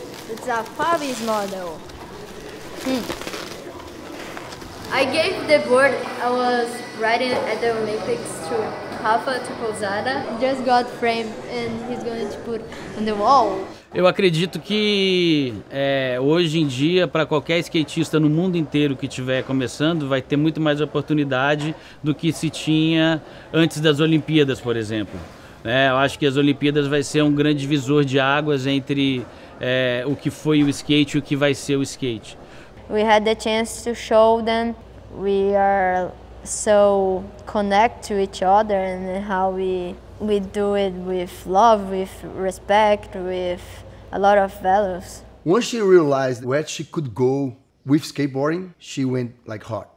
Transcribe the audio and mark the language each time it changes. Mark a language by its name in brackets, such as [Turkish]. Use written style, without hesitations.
[English] It's a Fabi's model. I gave the board I was riding at the Olympics to Rafa, to Pousada. Just got framed and he's going to put on the wall. [Portuguese] Eu acredito que hoje em dia, para qualquer skatista no mundo inteiro que estiver começando, vai ter muito mais oportunidade do que se tinha antes das Olimpíadas, por exemplo. Eu acho que as Olimpíadas vai ser um grande divisor de águas entre o que foi o skate e o que vai ser o skate. [English] We had the chance to show them we are so connected to each other and how we do it with love, with respect, with a lot of values. Once she realized where she could go with skateboarding, she went like hot.